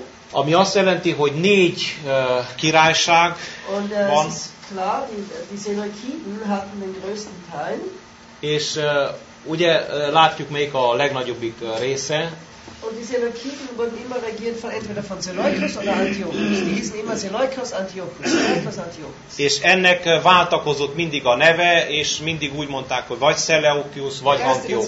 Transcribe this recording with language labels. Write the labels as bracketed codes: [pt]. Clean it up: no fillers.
[hu] Ami azt jelenti, hogy négy királyság van. [de] Klar, die Seleukiden hatten den größten Teil. [hu] És ugye látjuk, melyik a legnagyobbik része. [de] Und die Seleukiden wurden immer regiert von entweder von Seleukos oder Antiochus. Die hießen immer Seleukos Antiochus, Seleukos Antiochus. [hu] És ennek váltakozott mindig a neve, és mindig úgy mondták, hogy vagy Seleukios, vagy Antiochus.